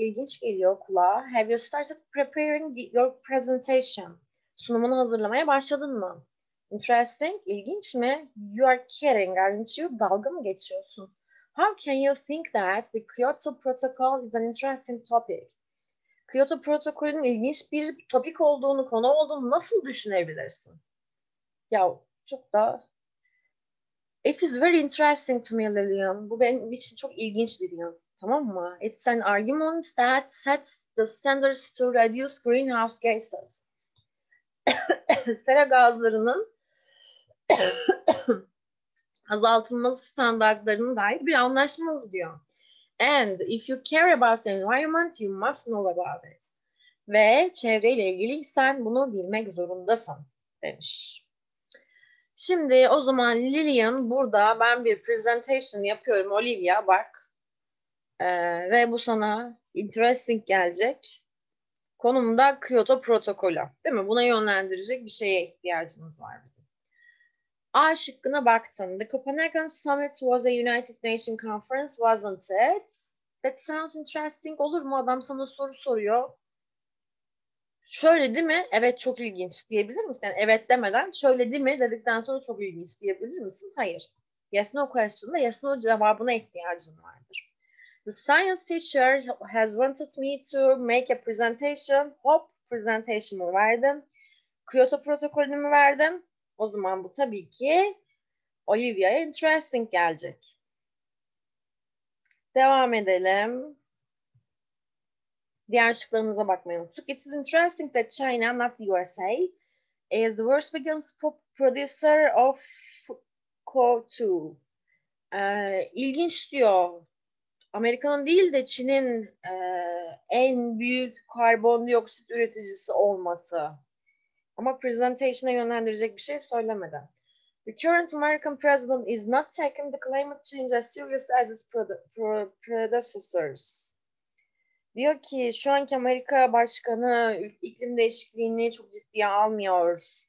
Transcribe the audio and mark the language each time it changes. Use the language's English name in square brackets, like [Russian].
[Turkish] İlginç geliyor kulağa. [English] Have you started preparing your presentation? [Turkish] Sunumunu hazırlamaya başladın mı? Interesting, ilginç mi? [English] You are kidding, aren't you? [Turkish] Dalga mı geçiyorsun? [English] How can you think that the Kyoto Protocol is an interesting topic? [Turkish] Kyoto Protokolü'nün ilginç bir topik olduğunu, konu olduğunu nasıl düşünebilirsin? Ya çok da... [English] It is very interesting to me, Lillian. [Turkish] Bu benim için çok ilginç, Lillian. Tamam mı? [English] It's an argument that sets the standards to reduce greenhouse gases. [Turkish] Sera gazlarının azaltılması standartlarına dair bir anlaşma oluyor. [English] And if you care about the environment, you must know about it. [Turkish] Ve çevreyle ilgiliysen bunu bilmek zorundasın demiş. Şimdi o zaman Lillian burada ben bir presentation yapıyorum Olivia bak. Ve bu sana interesting gelecek. Konumda Kyoto protokolü. Değil mi? Buna yönlendirecek bir şeye ihtiyacımız var bizim. A şıkkına baktım. [English] The Copenhagen Summit was a United Nations conference, wasn't it? That sounds interesting. [Turkish] Olur mu? Adam sana soru soruyor. Şöyle değil mi? Evet çok ilginç diyebilir misin? Yani evet demeden şöyle değil mi dedikten sonra çok ilginç diyebilir misin? Hayır. Yes no question'da yes no cevabına ihtiyacın vardır. [English] The science teacher has wanted me to make a presentation. [Turkish] Hop, presentation'ı verdim. Kyoto protokolünü mü verdim? O zaman bu tabii ki Olivia'ya interesting gelecek. Devam edelim. Diğer şıklarımıza bakmayı unuttuk. [English] It is interesting that China, not the USA, is the world's biggest pop producer of CO2. [Turkish] İlginç diyor. Amerika'nın değil de Çin'in en büyük karbondioksit üreticisi olması. Ama presentation'a yönlendirecek bir şey söylemedi. [English] The current American president is not taking the climate change as serious as his predecessors. [Turkish] Diyor ki şu anki Amerika başkanı iklim değişikliğini çok ciddiye almıyor.